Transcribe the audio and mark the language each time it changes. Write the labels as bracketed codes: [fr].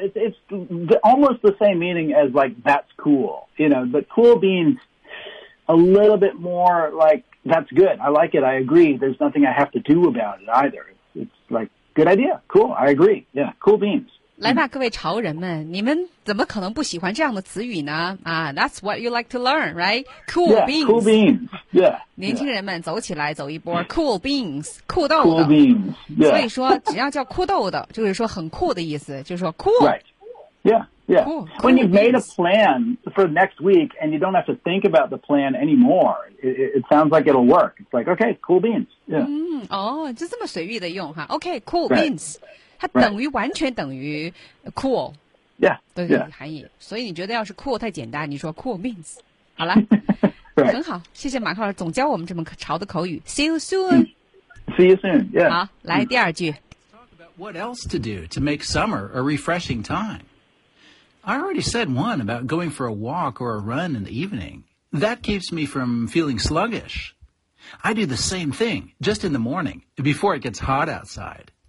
[en] It's the, almost the same meaning as, like, that's cool, you know. But cool beans, a little bit more like, that's good. I like it. I agree. There's nothing I have to do about it either. It's like, good idea. Cool. I agree. Yeah, cool beans. [zh] 来吧，各位潮人们，你们怎么可能不喜欢这样的词语呢？ [en] 啊、that's what you like to learn, right? Cool yeah, beans. Cool beans. Yeah. [zh] 年轻人们、yeah. 走起来走一波 cool beans, 酷豆豆。 [en] Cool beans, yeah. [zh] 所以说只要叫酷豆豆就是说很酷的意思就是说 [en] cool. Right. Yeah, yeah. Cool, When you've made a plan for next week and you don't have to think about the plan anymore, it sounds like it'll work. It's like, okay, cool beans. Yeah. [zh] 嗯，哦，就这么随意的用哈。 [en] Okay, cool、 right. [zh] beans. 它等于完全等于 cool， [en] yeah， [zh] 对， [en] yeah. [zh] 含义。所以你觉得要是 cool 太简单，你说 cool means 好了， [en] right. [zh] 很好，谢谢马克老师总教我们这么潮的口语。 [en] See you soon.、 Mm. See you soon. Yeah. [zh] 好，来、mm. 第二句。 [en] Talk about what else to do to make summer a refreshing time. I already said one about going for a walk or a run in the evening. That keeps me from feeling sluggish. I do the same thing just in the morning before it gets hot outside.